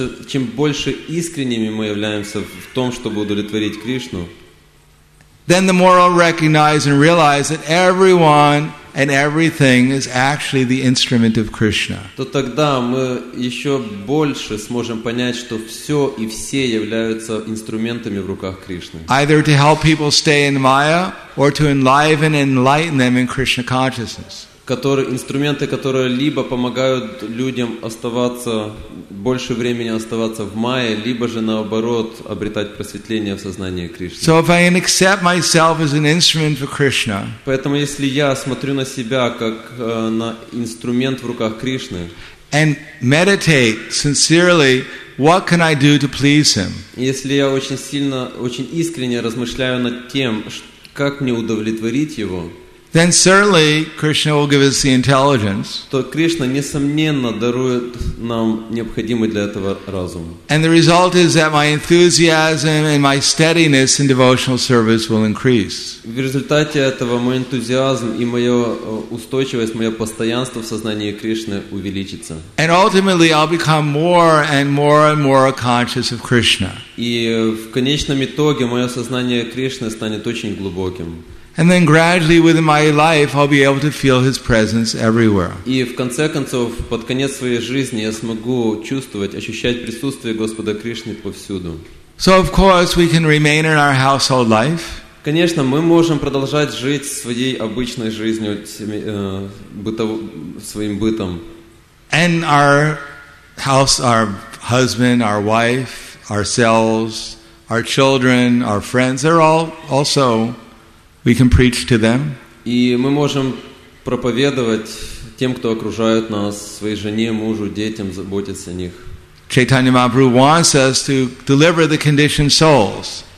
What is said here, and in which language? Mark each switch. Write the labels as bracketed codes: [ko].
[ru] Чем больше искренними мы являемся в том, чтобы удовлетворить Кришну, [en] then the more I recognize and realize that everyone and everything is actually the instrument of Krishna. [ru] То тогда мы еще больше сможем понять, что все и все являются инструментами в руках Кришны. [en] Either to help people stay in Maya or to enliven and enlighten them in Krishna consciousness. [ru] Инструменты, которые либо помогают людям оставаться, больше времени оставаться в майе, либо же наоборот обретать просветление в сознании Кришны. [en] So if I accept myself as an instrument for Krishna, [ru] поэтому если я смотрю на себя как на инструмент в руках Кришны, [en] and meditate sincerely, what can I do to please Him? [ru] Если я очень сильно, очень искренне размышляю над тем, как мне удовлетворить Его, [en] then certainly Krishna will give us the intelligence. [ru] То Кришна несомненно дарует нам необходимый для этого разум. [en] And the result is that my enthusiasm and my steadiness in devotional service will increase. [ru] В результате этого мой энтузиазм и моя устойчивость, мое постоянство в сознании Кришны увеличится. [en] And ultimately I'll become more and more and more conscious of Krishna. [ru] И в конечном итоге мое сознание Кришны станет очень глубоким. [en] And then gradually within my life I'll be able to feel His presence everywhere. [ru] И в конце концов, под конец своей жизни я смогу чувствовать, ощущать присутствие Господа Кришны повсюду. [en] So of course we can remain in our household life. [ru] Конечно, мы можем продолжать жить своей обычной жизнью, своим бытом. [en] And our house, our husband, our wife, ourselves, our children, our friends, they're all also we can preach to them. [ru] И мы можем проповедовать тем, кто окружает нас, своей жене, мужу, детям, заботиться о них. [en] Chaitanya Mahaprabhu wants us to deliver the conditioned souls.